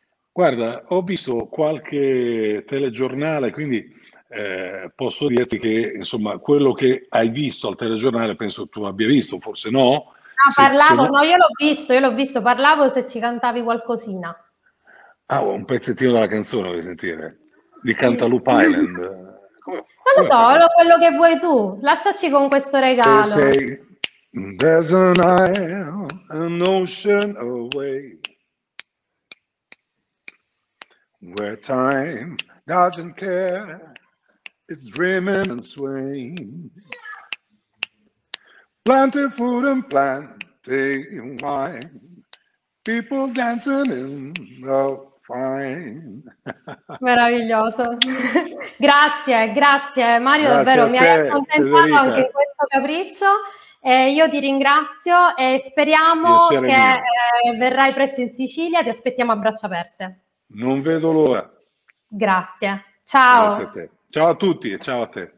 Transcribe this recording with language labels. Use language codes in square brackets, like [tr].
[it] Guarda, ho visto qualche telegiornale, quindi posso dirti che, insomma, quello che hai visto al telegiornale penso tu abbia visto, forse no. No, io l'ho visto, parlavo se ci cantavi qualcosina. Ah, un pezzettino della canzone vuoi sentire? Di Cantaloupe Island? Non lo so, quello che vuoi tu. Lasciaci con questo regalo. [en] Say, there's an island, an ocean away, where time doesn't care, it's dreaming and swaying. Planted food and planting wine, people dancing in the fine. [it] Meraviglioso. grazie Mario, grazie davvero, mi te, hai accontentato anche in questo capriccio. Io ti ringrazio e speriamo che verrai presto in Sicilia. Ti aspettiamo a braccia aperte. Non vedo l'ora. Grazie. Ciao. Grazie a te. Ciao a tutti e ciao a te.